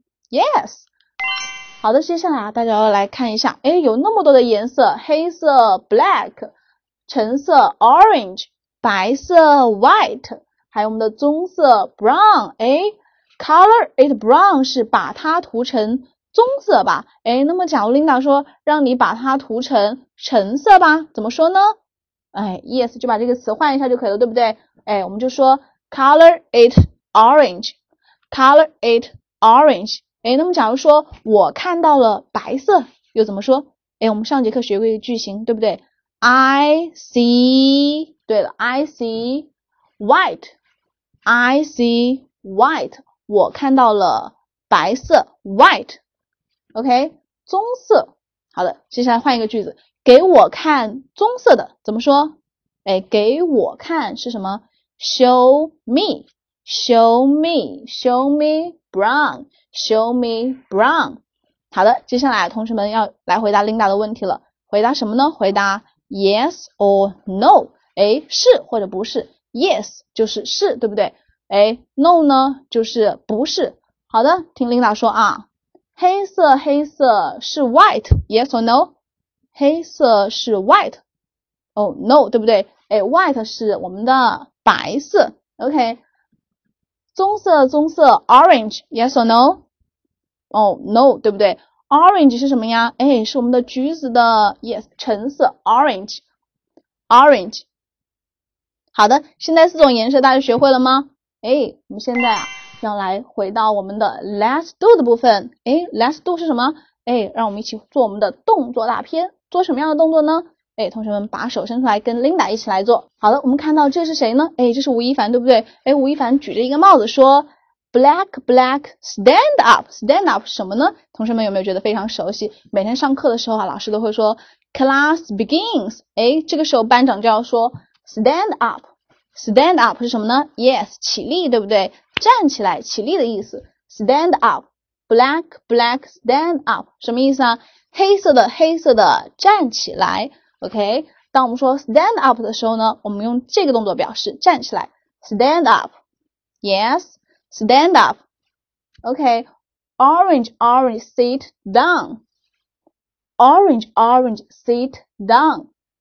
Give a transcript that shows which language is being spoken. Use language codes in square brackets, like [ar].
[zh] Yes，好的，接下来啊，大家要来看一下，哎，有那么多的颜色，黑色 black，橙色 orange，白色 white，还有我们的棕色 brown，哎， [en] color it brown [zh] 是把它涂成棕色吧？哎，那么假如 Linda 说让你把它涂成橙色吧，怎么说呢？哎，yes 就把这个词换一下就可以了，对不对？哎，我们就说 [en] color it orange， [zh] color it orange。哎，那么假如说我看到了白色，又怎么说？哎，我们上节课学过一个句型，对不对？I see，对了， [en] I see white， [zh] I see white，我看到了白色，white，OK，棕色。好的，接下来换一个句子，给我看棕色的，怎么说？哎，给我看是什么？ [en] Show me， [zh] show me，show me。 [en] Brown, show me brown。 [zh] 好的，接下来同学们要来回答 Linda 的问题了。回答什么呢？回答 [en] yes or no。 [zh] 哎，是或者不是？Yes 就是是，对不对？哎，no 呢就是不是。好的，听 Linda 说啊，黑色黑色是 white， [en] Yes or no？ [zh] 黑色是 white，哦，no，对不对？哎，white 是我们的白色，OK。棕色，棕色，orange， [en] yes or no？ [zh] 哦，no，对不对？orange 是什么呀？哎，是我们的橘子的，yes，橙色，orange，orange。好的，现在四种颜色大家学会了吗？哎，我们现在啊要来回到我们的 [en] let's do [zh] 的部分。哎， [en] let's do [zh] 是什么？哎，让我们一起做我们的动作大片。做什么样的动作呢？哎，同学们把手伸出来，跟 Linda 一起来做。好的，我们看到这是谁呢？哎，这是吴亦凡，对不对？哎，吴亦凡举着一个帽子说 [en] black black stand up stand up [zh] 什么呢？同学们有没有觉得非常熟悉？每天上课的时候啊，老师都会说 [en] class begins， [zh] 哎，这个时候班长就要说 [en] stand up。 Stand up [zh] 是什么呢 ？Yes， 起立，对不对？站起来，起立的意思。 [en] Stand up， black black stand up [zh] 什么意思啊？黑色的黑色的站起来。 OK， 当我们说 [en] stand up [zh] 的时候呢，我们用这个动作表示站起来。 [en] Stand up， yes， stand up。 OK， orange orange sit down， orange orange sit down。